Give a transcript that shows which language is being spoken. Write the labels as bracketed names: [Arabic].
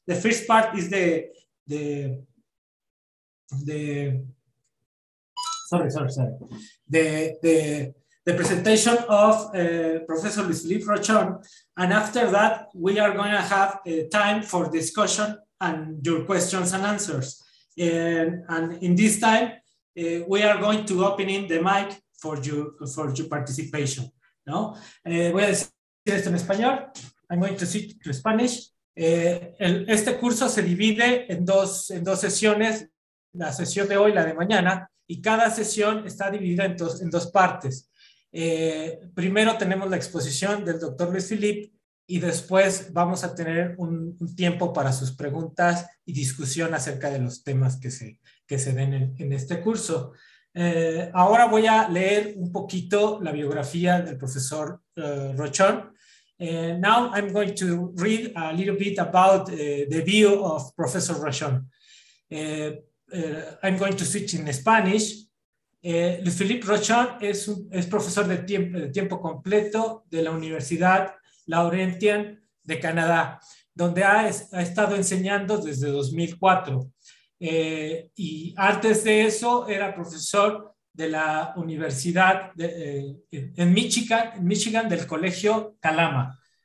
[English] The first part is the presentation of Professor Luis Felipe Rochon, and after that we are going to have time for discussion and your questions and answers. And in this time, we are going to open in the mic for your participation. [Spanish] No, voy a decir esto en español. [English] I'm going to switch to Spanish. [Spanish] Este curso se divide en dos sesiones, la sesión de hoy, la de mañana, y cada sesión está dividida en dos partes. Primero tenemos la exposición del doctor Luis Felipe y después vamos a tener un tiempo para sus preguntas y discusión acerca de los temas que se den en este curso. Ahora voy a leer un poquito la biografía del profesor Rochon. [English] Now I'm going to read a little bit about the bio of Professor Rochon. I'm going to switch in Spanish. [Spanish] Luis Felipe Rochon es profesor de tiempo completo de la Universidad Laurentian de Canadá, donde ha estado enseñando desde 2004. Y antes de eso era profesor de la Universidad en Michigan del Colegio Calama.